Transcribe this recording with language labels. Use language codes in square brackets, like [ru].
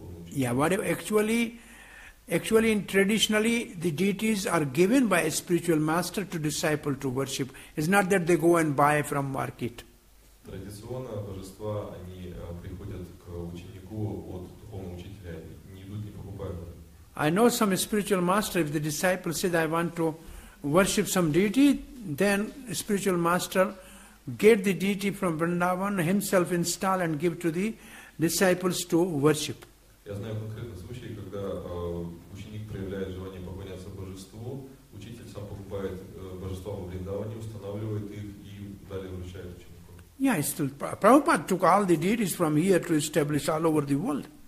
[en] Yeah, whatever, actually in traditionally the deities are given by a spiritual master to disciple to worship. It's not that they go and buy from market. [ru] Традиционно божества они приходят к ученику от духовного учителя, не идут, не покупают. [en] I know some spiritual master, if the disciple said I want to worship some deity, then spiritual master get the deity from Vrindavan, himself install and give to the disciples to worship. [ru] Я знаю конкретный случай, когда ученик проявляет желание поклоняться божеству, учитель сам покупает божество в Вриндаване, устанавливает их и далее вручает ученику. [en] Yeah, still Prabhupada took all the deities from here to establish all over the world.